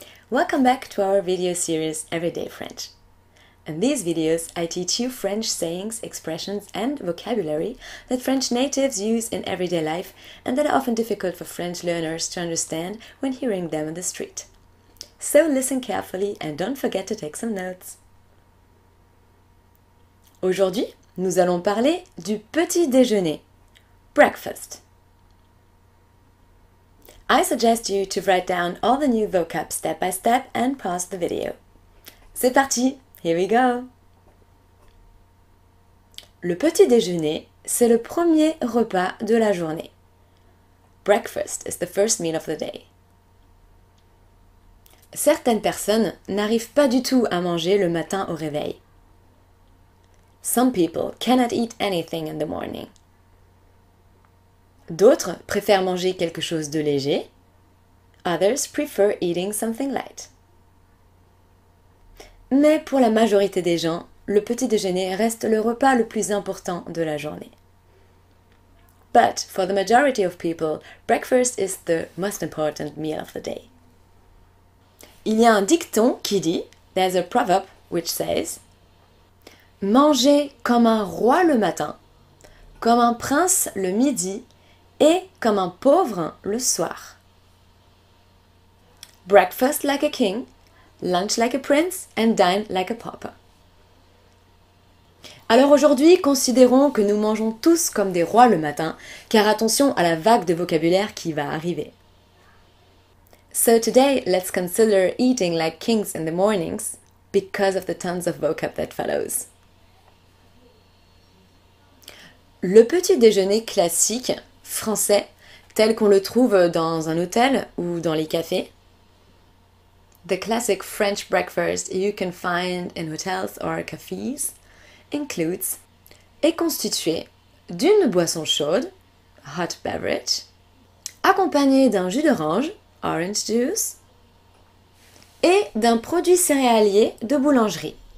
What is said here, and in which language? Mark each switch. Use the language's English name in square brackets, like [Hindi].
[English] Welcome back to our video series Everyday French. In these videos, I teach you French sayings, expressions and vocabulary that French natives use in everyday life and that are often difficult for French learners to understand when hearing them in the street. So listen carefully and don't forget to take some notes. [French] Aujourd'hui, nous allons parler du petit déjeuner, breakfast. [English] I suggest you to write down all the new vocab step by step and pause the video. [French] C'est parti, [English] here we go! [French] Le petit déjeuner, c'est le premier repas de la journée. [English] Breakfast is the first meal of the day. [French] Certaines personnes n'arrivent pas du tout à manger le matin au réveil. [English] Some people cannot eat anything in the morning. [French] D'autres préfèrent manger quelque chose de léger. [English] Others prefer eating something light. [French] Mais pour la majorité des gens, le petit déjeuner reste le repas le plus important de la journée. [English] But for the majority of people, breakfast is the most important meal of the day. [French] Il y a un dicton qui dit, [English] there's a proverb which says, [French] manger comme un roi le matin, comme un prince le midi et comme un pauvre le soir. [English] Breakfast like a king, lunch like a prince and dine like a pauper. [French] Alors aujourd'hui, considérons que nous mangeons tous comme des rois le matin, car attention à la vague de vocabulaire qui va arriver. [English] So today, let's consider eating like kings in the mornings because of the tons of vocab that follows. [French] Le petit déjeuner classique français, tel qu'on le trouve dans un hôtel ou dans les cafés. [English] The classic French breakfast you can find in hotels or cafes includes [French] est constitué d'une boisson chaude, [English] hot beverage, [French] accompagné d'un jus d'orange, [English] orange juice, [French] et d'un produit céréalier de boulangerie.